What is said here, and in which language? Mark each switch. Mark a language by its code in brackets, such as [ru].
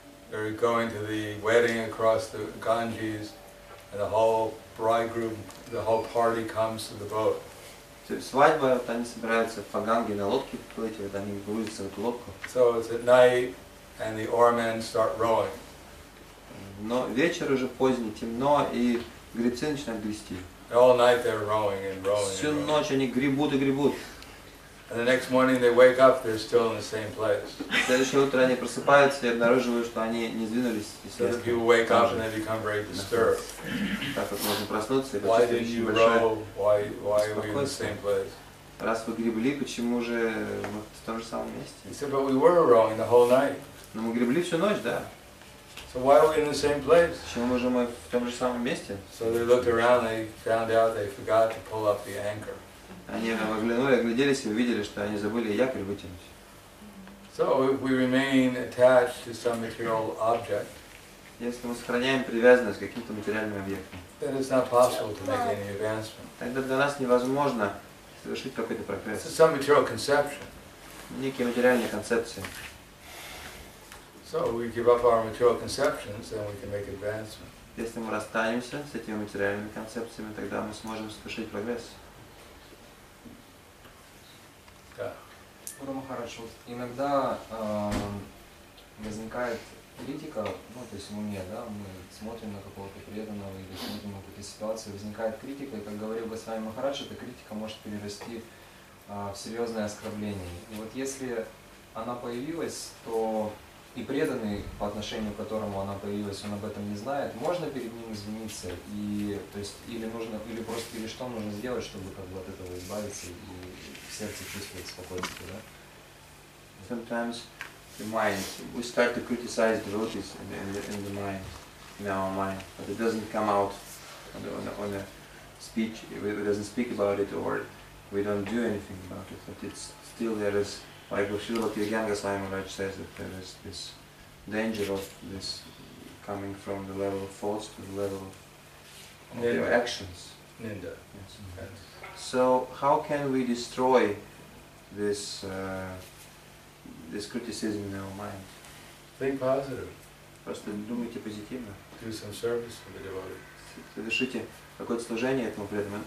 [en] They're going to the wedding across the Ganges, and the whole bridegroom, the whole party comes to the boat. [ru] Свадьба, они собираются по Ганге на лодке плыть, они грузятся в эту лодку. [en] So it's at night, and the oarmen start rowing. [ru] Но вечер уже поздний, темно, и гребцы начинают грести. [en] All night they're rowing and rowing. [ru] Всю ночь они гребут и гребут. [en] And the next morning they wake up, they're still in the same place. [ru] Следующее утро они просыпаются и обнаруживают, что они не сдвинулись. [en] So the people wake up and they become very disturbed. [ru] Так вот можно проснуться и почувствовать большое беспокойство. Раз вы гребли, почему же мы в том же самом месте? [en] He said, but we were rowing the whole night. [ru] Но мы гребли всю ночь, да. [en] So why are we in the same place? [ru] Почему мы же в том же самом месте? [en] So they looked around, they found out they forgot to pull up the anchor. [ru] Они оглянули, огляделись и увидели, что они забыли якорь вытянуть. [en] So if we remain attached to some material object, [ru] если мы сохраняем привязанность к каким-то материальным объектам, [en] then it's not possible to make any advancement. [ru] Тогда для нас невозможно совершить какой-то прогресс. [en] It's some material conception. [ru] Некие материальные концепции. [en] So we give up our material conceptions, then we can make advancement. [ru] Если мы расстанемся с этими материальными концепциями, тогда мы сможем совершить прогресс. Да. Гуру Махарадж, иногда возникает критика, ну то есть в уме, да, мы смотрим на какого-то преданного или смотрим на какую-то ситуацию, возникает критика, и как говорил Госвами Махарадж, эта критика может перерасти в серьезное оскорбление. И вот если она появилась, то и преданный, по отношению к которому она появилась, он об этом не знает. Можно перед ним извиниться? И, то есть, или нужно, или просто, или что нужно сделать, чтобы как бы от этого избавиться и в сердце чувствовать спокойствие, да? [en] Sometimes the mind, we start to criticize devotees in the mind, in our mind, but it doesn't come out on the speech, it doesn't speak about it, or we don't do anything about it, but it's still there is, like Bhaktivinoda Ganga Swami Maharaj says, that there is this danger of this coming from the level of thoughts to the level of [sa] Ninda. [en] Actions. [sa] Ninda. [en] Yes. Okay. So how can we destroy this this criticism in our mind? Think positive. [ru] Просто думайте позитивно. [en] Do some service for the devotee. [ru] Совершите какое-то служение этому преданному.